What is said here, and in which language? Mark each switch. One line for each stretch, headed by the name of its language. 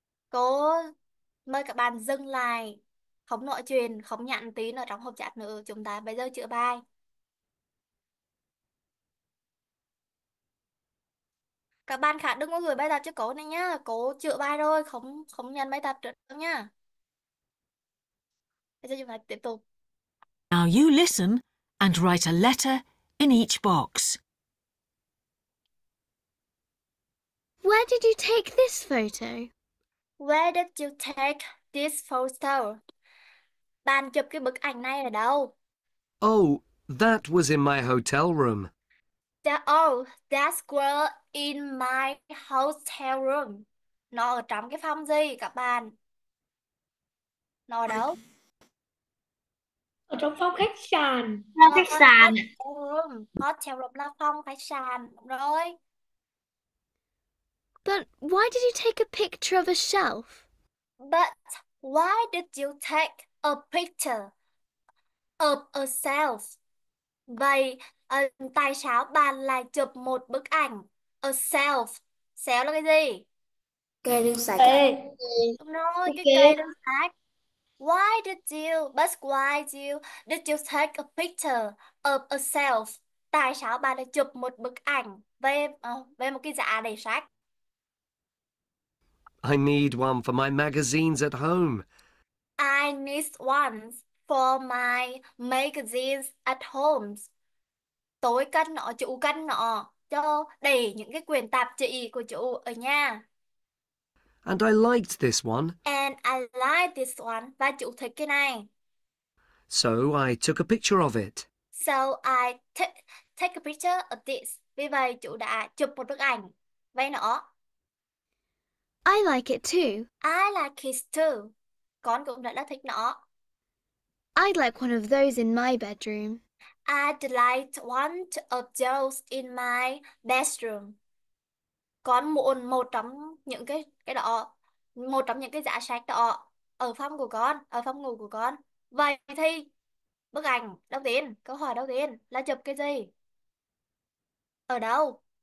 Vietnamese: Cô mời các bạn dừng lại, không nói chuyện, không nhắn tin ở trong hộp chat nữa. Chúng ta bây giờ chữa bài. Các bạn khác đừng có gửi bài tập cho cô này nhá. Cô chữa bài rồi, không không nhận bài tập nữa nhá. Bây giờ chúng ta tiếp tục.
English: Now you listen and write a letter in each box. Where did you take this photo? Where did you take this photo?
Vietnamese: Bạn chụp cái bức ảnh này ở đâu?
English: Oh, that was in my hotel room. That was in my hotel room.
Vietnamese: Nó ở trong cái phòng gì các bạn? Nó ở đâu? Ở trong phòng khách sạn. Khách sạn. Hotel room là phòng khách sạn. Đúng rồi.
English: But why did you take a picture of a shelf? But why did you take a picture of a shelf?
Vietnamese: Vậy tại sao bạn lại chụp một bức ảnh a shelf? Shelf là cái gì? Kệ đựng sách. Đúng rồi, cái kệ đựng sách.
English: Why did you? But why did you take a picture of a shelf?
Vietnamese: Tại sao bạn lại chụp một bức ảnh về một cái giá để sách?
English: I need one for my magazines at home. I need one for my magazines at home.
Vietnamese: Tôi cần nó, chú cần nó cho để những cái quyển tạp chí của chú ở nhà.
English: And I liked this one. And I like this one.
Vietnamese: Và chú thích cái này.
English: So I took a picture of it. So I take a picture of this.
Vietnamese: Vì vậy chú đã chụp một bức ảnh với nó.
English: I like it too. I like it too.
Vietnamese: Con cũng rất là thích nó.
English: I'd like one of those in my bedroom. I'd like one of those in my bedroom.
Vietnamese: Con muốn một trong những cái đó, một trong những cái giá sách đó ở phòng của con, ở phòng ngủ của con. Vậy thì bức ảnh đầu tiên, câu hỏi đầu tiên là chụp cái gì? Ở đâu?